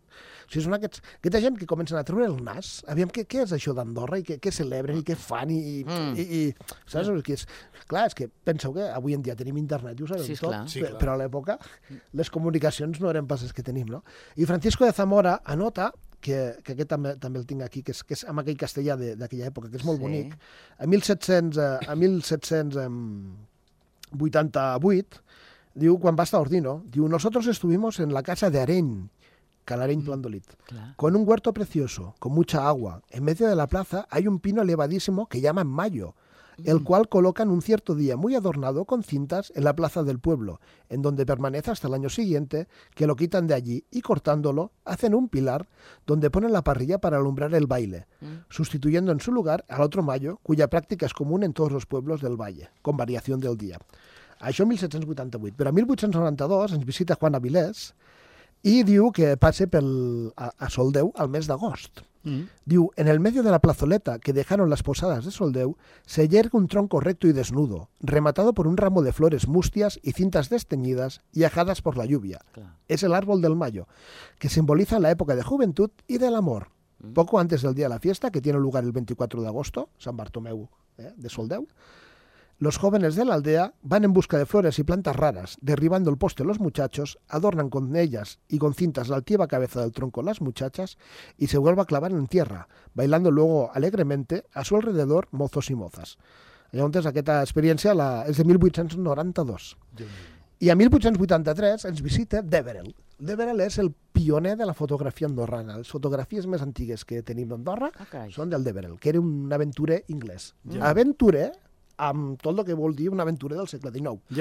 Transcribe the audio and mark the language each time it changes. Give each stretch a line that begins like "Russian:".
Catalan: O sigui, són aquesta gent que comencen a treure el nas, aviam què és això d'Andorra, i què celebren, i què fan, i saps? Sí. És, clar, és que penseu que avui en dia tenim internet i ho sabem tot, però a l'època les comunicacions no eren pas les que tenim, no? I Francisco de Zamora anota que aquest també el tinc aquí, que és amb aquell castellà d'aquella època, que és molt bonic. A 1788, diu, quan va estar a Ordino, diu,
Spanish: nosotros estuvimos en la casa de Areny, Calareny Plandolit, con un huerto precioso, con mucha agua. En medio de la plaza hay un pino elevadísimo que llaman mayo, el cual colocan un cierto día muy adornado con cintas en la plaza del pueblo, en donde permanece hasta el año siguiente, que lo quitan de allí y cortándolo hacen un pilar donde ponen la parrilla para alumbrar el baile, sustituyendo en su lugar al otro mayo, cuya práctica es común en todos los pueblos del valle, con variación del día.
Catalan: Això 1788, però a 1892 ens visita Juan Avilés i diu que passa a Soldeu al mes d'agost.
Spanish: Diu, en el medio de la plazoleta que dejaron las posadas de Soldeu se yergue un tronco recto y desnudo, rematado por un ramo de flores mustias y cintas desteñidas y ajadas por la lluvia. Claro. Es el árbol del mayo, que simboliza la época de juventud y del amor. Poco antes del día de la fiesta, que tiene lugar el 24 de agosto, San Bartomeu de Soldeu, los jóvenes de la aldea van en busca de flores y plantas raras, derribando el poste los muchachos, adornan con ellas y con cintas la altiva cabeza del tronco las muchachas y se vuelve a clavar en tierra, bailando luego alegremente a su alrededor mozos y mozas.
Catalan: Llavors, aquesta experiència és de 1892. I a 1883 ens visita Deverell. Deverell és el pioner de la fotografia andorrana. Les fotografies més antigues que tenim d'Andorra són del Deverell, que era un aventurer anglès. Aventurer, amb tot el que vol dir una aventura del segle XIX.